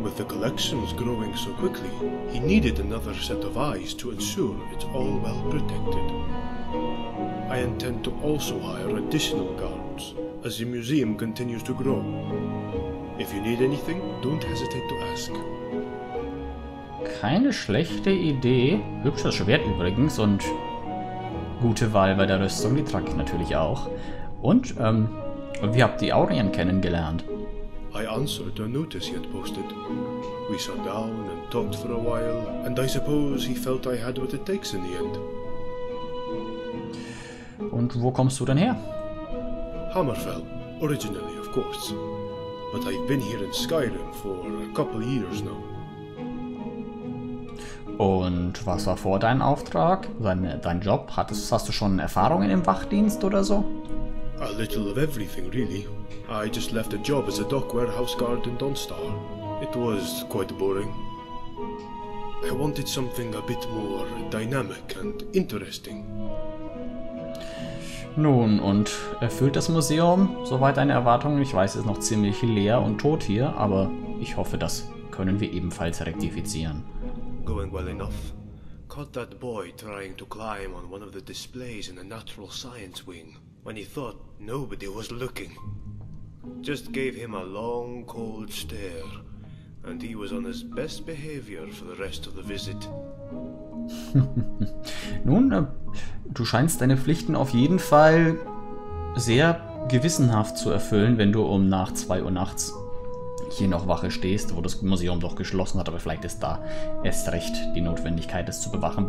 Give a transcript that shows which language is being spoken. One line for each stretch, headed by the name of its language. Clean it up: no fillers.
English: With the collections growing so quickly, he needed another set of eyes to ensure it's all well protected. I intend to also hire additional guards as the museum continues to grow. If you need anything, don't hesitate to ask.
German: Keine schlechte Idee. Hübsches Schwert übrigens und gute Wahl bei der Rüstung, die trage ich natürlich auch. Und, wie habt ihr Aurien kennengelernt?
English: I answered a notice he had posted. We sat down and talked for a while, and I suppose he felt I had what it takes in the end.
German: Und wo kommst du denn her?
English: Hammerfell, originally, of course. But I've been here in Skyrim for a couple years now.
German: Und was war vor deinem Auftrag? Dein Job? Hast du schon Erfahrungen im Wachdienst oder so?
English: A little of everything, really. I just left a job as a dock warehouse guard in Dawnstar. It was quite boring. I wanted something a bit more dynamic and interesting.
German: Nun, und erfüllt das Museum soweit deine Erwartungen? Ich weiß, es ist noch ziemlich leer und tot hier, aber ich hoffe, das können wir ebenfalls rektifizieren.
English: Going well enough. Caught that boy trying to climb on one of the displays in the natural science wing when he thought nobody was looking. Just gave him a long, cold stare, and he was on his best behavior for the rest of the visit.
German: Nun, du scheinst deine Pflichten auf jeden Fall sehr gewissenhaft zu erfüllen, wenn du um nach 2 Uhr nachts hier noch Wache stehst, wo das Museum doch geschlossen hat, aber vielleicht ist da erst recht die Notwendigkeit, es zu bewachen.